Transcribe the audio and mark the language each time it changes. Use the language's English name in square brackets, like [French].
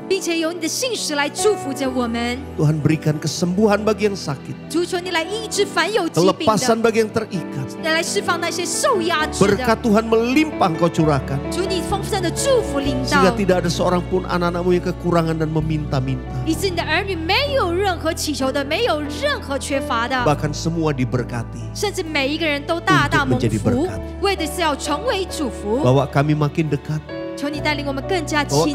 [Chinese] 并且由你的信实来祝福着我们。 [Indonesian] Tuhan berikan kesembuhan bagi yang sakit. [Chinese] 主，求你来医治凡有疾病的。 [Indonesian] Kelepasan bagi yang terikat. [Chinese] 来释放那些受压制的。 [Indonesian] Berkat Tuhan melimpah kau curahkan. [Chinese] 主，你丰盛的祝福临到。 [Indonesian] Sehingga tidak ada seorang pun anak-anakmu yang kekurangan dan meminta-minta. [Chinese] 以致你的儿女没有任何祈求的， 没有任何缺乏的。 [Indonesian] Bahkan semua diberkati. [Chinese] 甚至每一个人都大大蒙福， 为的是要成为祝福。 [Indonesian] Bawa kami makin dekat. [Chinese] 求你带领我们更加亲近你。